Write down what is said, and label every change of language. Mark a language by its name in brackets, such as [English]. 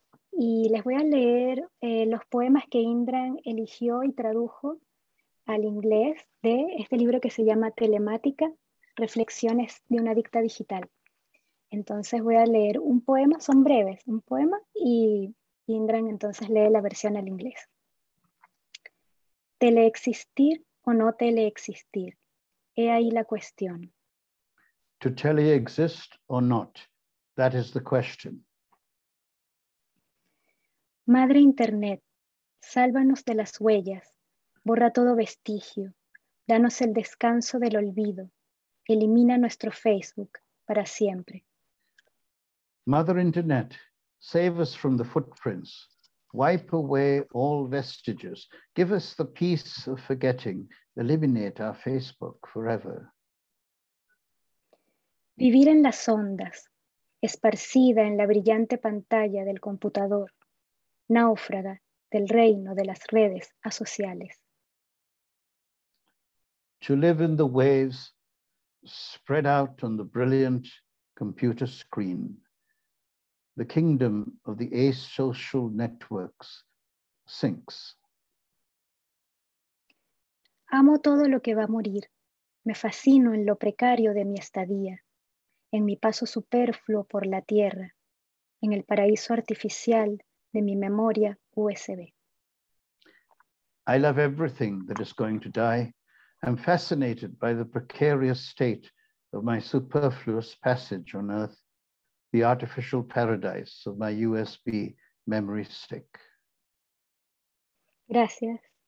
[Spanish] Y les voy a leer los poemas que Indran eligió y tradujo al inglés de este libro que se llama Telemática, Reflexiones de una Adicta Digital. Entonces voy a leer un poema, son breves, un poema, y Indran entonces lee la versión al inglés. Teleexistir o no teleexistir, he ahí la cuestión. [English] To teleexist or not, that is the question. [Spanish] Madre Internet, sálvanos de las huellas, borra todo vestigio, danos el descanso del olvido, elimina nuestro Facebook para siempre. [English] Mother Internet, save us from the footprints, wipe away all vestiges, give us the peace of forgetting, eliminate our Facebook forever. [Spanish] Vivir en las ondas, esparcida en la brillante pantalla del computador, náufraga del reino de las redes asociales. [English] To live in the waves, spread out on the brilliant computer screen. The kingdom of the asocial networks sinks. [Spanish] Amo todo lo que va a morir. Me fascino en lo precario de mi estadía, en mi paso superfluo por la tierra, en el paraíso artificial de mi memoria USB. [English] I love everything that is going to die. I'm fascinated by the precarious state of my superfluous passage on Earth. The artificial paradise of my USB memory stick. [Spanish] Gracias.